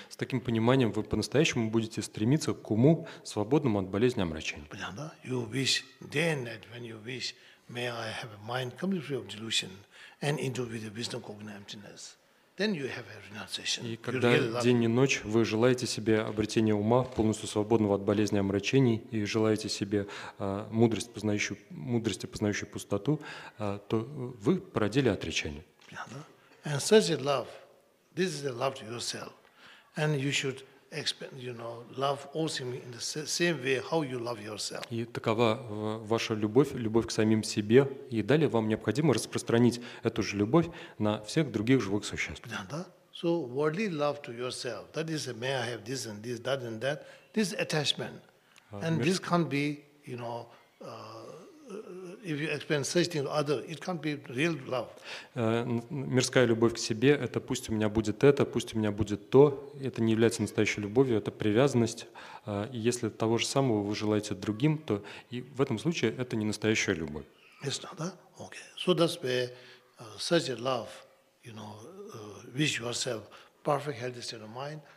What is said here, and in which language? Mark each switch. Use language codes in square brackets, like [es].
[ru] С таким пониманием вы по-настоящему будете стремиться к уму, свободному от болезни омрачения. Понятно, да? [en] You wish day and night when you wish, may I have a mind completely free of delusion and into with the wisdom cognizant emptiness. Then you have a renunciation. [ru] И когда день и ночь вы желаете себе обретения ума, полностью свободного от болезни омрачений, и желаете себе мудрости, познающей пустоту, то вы породили отречение. [en] And such a love, this is a love to yourself. And you should expect, you know, love also in the same way how you love yourself. [ru] И такова ваша любовь к самим себе, и далее вам необходимо распространить эту же любовь на всех других живых существ. [en] So worldly love to yourself, that is, may I have this and this, that and that, this attachment, and this can't be, you know, if you explain such things to others, it can't be real love. [ru] Мирская любовь к себе – это пусть у меня будет это, пусть у меня будет то. Это не является настоящей любовью, это привязанность. И если того же самого вы желаете другим, то и в этом случае это не настоящая любовь. [en] Yes, да? Okay. So that's why such a love, you know, wish yourself perfect healthy state of mind